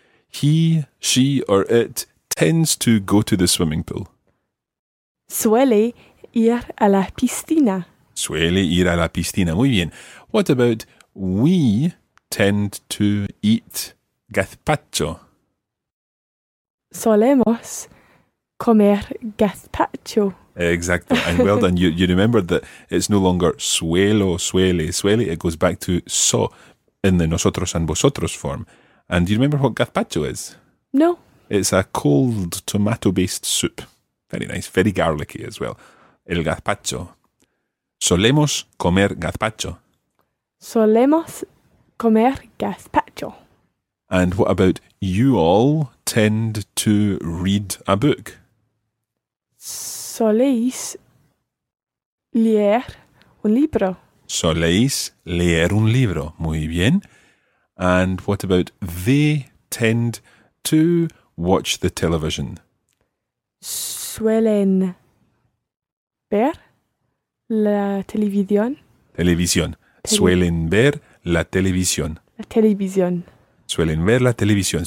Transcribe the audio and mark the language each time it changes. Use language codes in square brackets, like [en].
[en] He, she, or it tends to go to the swimming pool. [es] Suele ir a la piscina. Suele ir a la piscina. Muy bien. [en] What about we tend to eat gazpacho? [es] Solemos comer gazpacho. [en] Exactly. And well done. You remember that it's no longer suelo, suele, suele. It goes back to so in the nosotros and vosotros form. And do you remember what gazpacho is? No. It's a cold tomato-based soup. Very nice. Very garlicky as well. El gazpacho. [es] Solemos comer gazpacho. Solemos comer gazpacho. [en] And what about you all tend to read a book? [es] Soléis leer un libro. Soléis leer un libro. Muy bien. [en] And what about they tend to watch the television? [es] Suelen ver la televisión. Televisión. Suelen ver la televisión. La televisión. Suelen ver la televisión.